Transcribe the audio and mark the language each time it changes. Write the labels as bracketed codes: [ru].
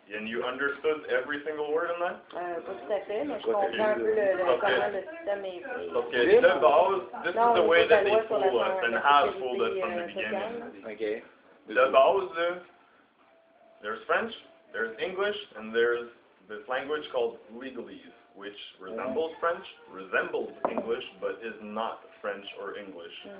[en] And you understood every single word in that? [fr] Pas tout à fait, mais je comprends un peu comment le système est. [en] Okay, this is the way that they fool us and have fooled us from the beginning. Okay. [fr] De base, [en] there's French, there's English, and there's this language called legalese, which resembles French, resembles English, but is not French or English.